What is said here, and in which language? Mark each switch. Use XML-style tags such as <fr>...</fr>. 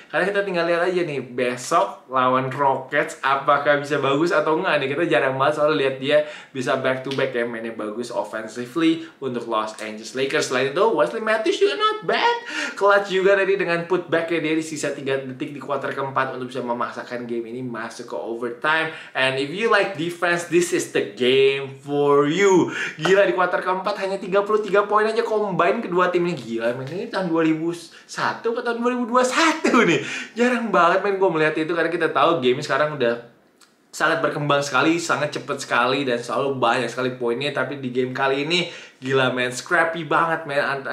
<id>Karena kita tinggal lihat aja nih, besok lawan Rockets apakah bisa bagus atau enggak nih. Kita jarang banget soalnya lihat dia bisa</id> <en>back to back</en> <id>ya mainnya bagus offensively untuk Los Angeles Lakers. Selain itu, Wesley Matthews juga</id> <en>not bad,</en> <id>clutch juga tadi dengan putback ya dia di sisa 3 detik di quarter keempat untuk bisa memaksakan game ini masuk ke overtime.</id> <en>And if you like defense, this is the game for you.</en> <id>Gila, di quarter keempat hanya 33 poin aja combine kedua tim ini. Gila, ini tahun 2001 ke tahun 2021 nih. Jarang banget main gue melihat itu, karena kita tahu game sekarang udah sangat berkembang sekali, sangat cepat sekali, dan selalu banyak sekali poinnya. Tapi di game kali ini, gila men, scrappy banget men.</id>